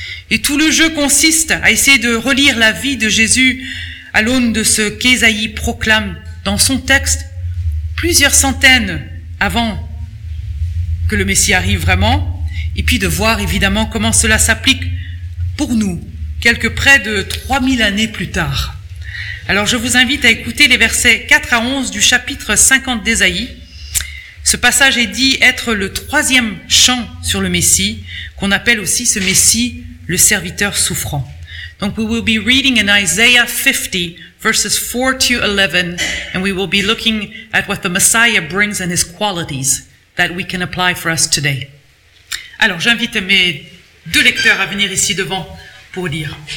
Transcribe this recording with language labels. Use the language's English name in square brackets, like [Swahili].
[French] Et tout le jeu consiste à essayer de relire la vie de Jésus à l'aune de ce qu'Ésaïe proclame dans son texte plusieurs centaines avant que le Messie arrive vraiment, et puis de voir évidemment comment cela s'applique pour nous, quelque près de 3000 années plus tard. Alors je vous invite à écouter les versets 4 à 11 du chapitre 50 d'Ésaïe. Ce passage est dit être le troisième chant sur le Messie, qu'on appelle aussi ce Messie le serviteur souffrant. [English] Donc we will be reading in Isaiah 50, verses 4 to 11, and we will be looking at what the Messiah brings and his qualities that we can apply for us today. [French] Alors j'invite mes deux lecteurs à venir ici devant pour lire.